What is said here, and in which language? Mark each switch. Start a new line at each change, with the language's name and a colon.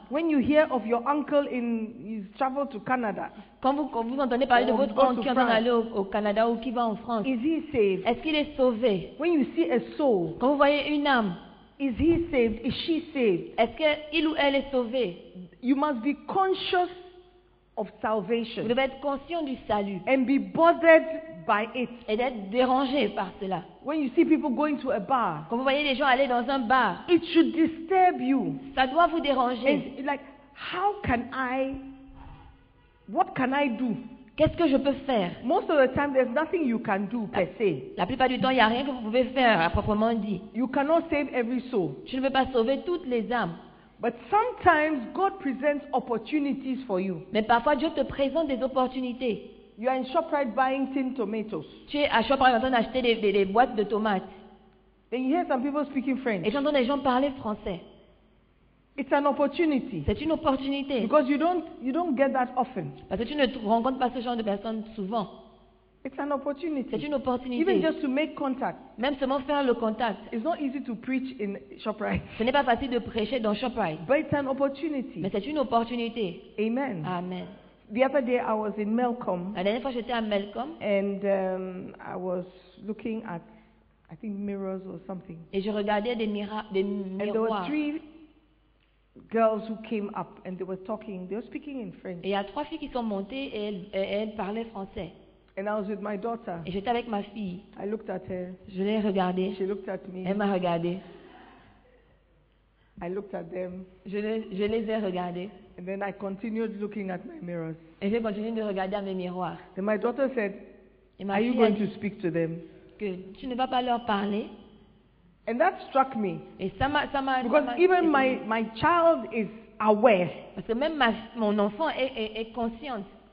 English: When you hear of your uncle in his travel to Canada,
French: quand vous entendez parler de votre oncle qui est en allé au Canada ou qui va en France,
English: is he saved?
French: Est-ce qu'il est sauvé?
English: When you see a soul,
French: quand vous voyez une âme,
English: is he saved? Is she saved?
French: Est-ce qu'il ou elle est sauvé?
English: You must be conscious of salvation.
French: Vous devez être conscient du salut.
English: And be bothered by it.
French: Et d'être dérangé par cela.
English: When you see people going to a bar,
French: quand vous voyez les gens aller dans un bar,
English: it should disturb you.
French: Ça doit vous déranger.
English: And like, how can I? What can I do?
French: Qu'est-ce que je peux faire?
English: Most of the time, there's nothing you can do per se.
French: La plupart du temps, il y a rien que vous pouvez faire à proprement dit.
English: You cannot save every soul.
French: Tu ne peux pas sauver toutes les âmes.
English: But sometimes God presents opportunities for you.
French: Mais parfois Dieu te présente des opportunités.
English: You are in ShopRite buying tin tomatoes.
French: Tu es à ShopRite en train d'acheter des boîtes de tomates.
English: Then you hear some people speaking French.
French: Et j'entends des gens parler français.
English: It's an opportunity.
French: C'est une opportunité.
English: Because you don't get that often.
French: Parce que tu ne rencontres pas ce genre de personnes souvent.
English: It's an opportunity.
French: C'est une opportunité.
English: Even just to make contact.
French: Même seulement faire le contact.
English: It's not easy to preach in ShopRite.
French: Ce n'est pas facile de prêcher dans ShopRite.
English: But it's an opportunity.
French: Mais c'est une opportunité.
English: Amen.
French: Amen.
English: The other day I was in Melcombe.
French: La dernière fois j'étais à Melcombe.
English: And I was looking at, I think, mirrors or something.
French: Et je regardais des miroirs.
English: And there were three girls who came up and they were talking. They were speaking in French.
French: Et il y a trois filles qui sont montées et elles parlaient français.
English: And I was with my daughter.
French: Et j'étais avec ma fille.
English: I looked at her.
French: Je l'ai regardée.
English: She looked at me.
French: Elle m'a regardée.
English: I looked at them.
French: Je les ai regardées.
English: And then I continued looking at my mirrors.
French: Et j'ai continué de regarder à mes miroirs.
English: Then my daughter said,
French: ma
English: "Are you going to speak to them?"
French: Que tu ne vas pas leur parler.
English: And that struck me.
French: Et ça m'a.
English: Because my child is aware.
French: Parce que même mon enfant est consciente.